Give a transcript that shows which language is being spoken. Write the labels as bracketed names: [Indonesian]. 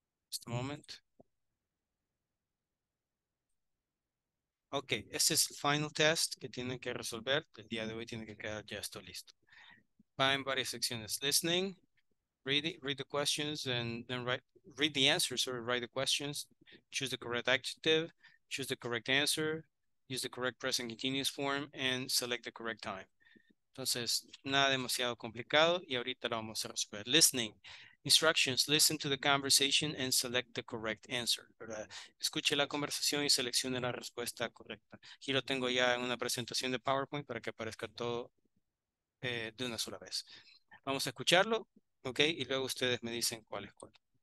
[English] Just a moment. Ok. [Spanish] Este es el [English] final test [Spanish] que tienen que resolver. El día de hoy tiene que quedar ya esto listo. Va en varias secciones. [English] Listening. Read the questions and then read the answers or write the questions. Choose the correct adjective, choose the correct answer, use the correct present continuous form, and select the correct time. [Spanish] Entonces, nada demasiado complicado y ahorita lo vamos a resolver. [English] Listening. Instructions. Listen to the conversation and select the correct answer. [Spanish] ¿Verdad? Escuche la conversación y seleccione la respuesta correcta. Aquí lo tengo ya en una presentación de PowerPoint para que aparezca todo de una sola vez. Vamos a escucharlo. Okay, y luego ustedes me dicen cuál es cuál.